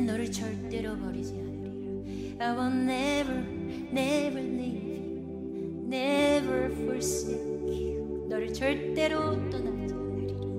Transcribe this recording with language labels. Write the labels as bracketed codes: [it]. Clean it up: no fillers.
[ko] 절대로 버리지 않으리라. [en] I will never, never leave you, never forsake you. [ko] 너를 절대로 떠나지 않으리라.